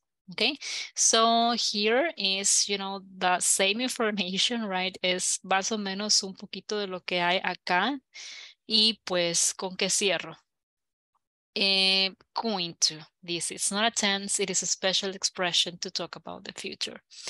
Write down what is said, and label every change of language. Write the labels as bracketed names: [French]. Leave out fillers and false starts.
[English] Okay, so here is, you know, the same information, right? [Spanish] Es más o menos un poquito de lo que hay acá. Y pues, ¿con qué cierro? [English] Going to, this is not a tense, it is a special expression to talk about the future.